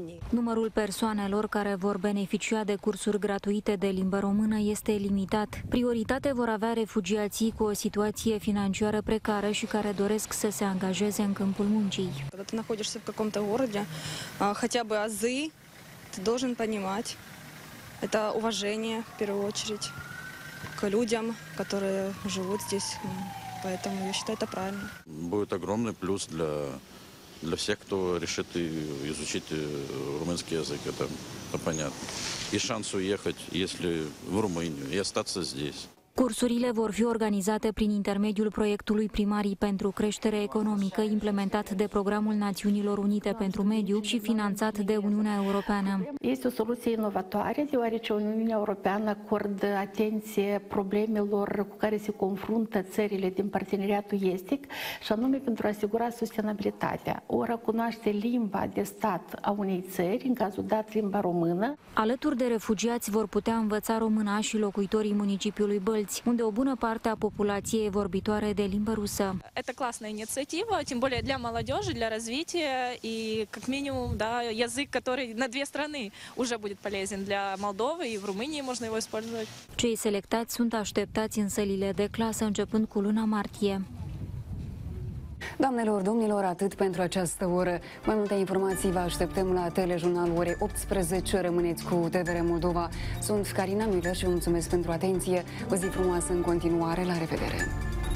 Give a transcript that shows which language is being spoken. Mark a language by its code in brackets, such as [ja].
[ro] Numărul persoanelor care vor beneficia de cursuri gratuite de limbă română este limitat. Prioritate vor avea refugiații cu o situație financiară precară și care doresc să se angajeze în câmpul muncii. Când te [ru] находишься в каком-то городе, хотя бы азы, ты должен понимать. Это уважение, в первую очередь, к людям, которые живут здесь. Поэтому я считаю это правильно. Будет огромный плюс для для всех, кто решит изучить румынский язык, это понятно. И шанс уехать, если в Румынию, и остаться здесь. [ro] Cursurile vor fi organizate prin intermediul proiectului primarii pentru creștere economică, implementat de Programul Națiunilor Unite pentru Mediu și finanțat de Uniunea Europeană. Este o soluție inovatoare, deoarece Uniunea Europeană acordă atenție problemelor cu care se confruntă țările din parteneriatul estic, și anume pentru a asigura sustenabilitatea. Ora cunoaște limba de stat a unei țări, în cazul dat limba română. Alături de refugiați vor putea învăța româna și locuitorii municipiului Bălți, unde o bună parte a populației vorbitoare de limbă rusă. [ru] Это классная инициатива, тем более для молодежи, для развития и как минимум, да, язык, который на две страны уже будет полезен для Молдовы и в Румынии можно его использовать. [ro] Cei selectați sunt așteptați în sălile de clasă începând cu luna martie. Doamnelor, domnilor, atât pentru această oră. Mai multe informații vă așteptăm la telejurnal ore 18. Rămâneți cu TVR Moldova. Sunt Carina Miller și mulțumesc pentru atenție. O zi frumoasă în continuare. La revedere!